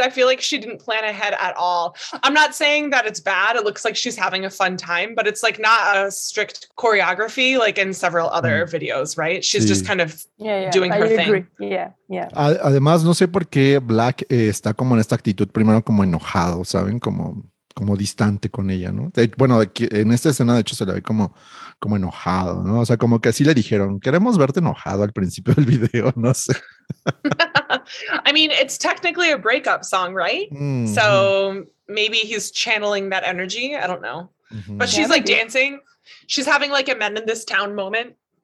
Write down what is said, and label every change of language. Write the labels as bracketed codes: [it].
[en] I feel like she didn't plan ahead at all. I'm not saying that it's bad. It looks like she's having a fun time, but it's like not a strict choreography like in several other videos, right? She's just kind of doing her thing. Yeah. [es] Además, no sé por qué Black está como en esta actitud, primero como enojado, ¿saben? Como distante con ella, ¿no? Bueno, en esta escena, de hecho, se la ve como enojado, ¿no? O sea, como que así le dijeron, queremos verte enojado al principio del video, no sé. [en] I mean, it's technically a breakup song, right? Mm-hmm. So maybe he's channeling that energy, I don't know. Mm-hmm. But she's like dancing. She's having like a Men in This Town moment.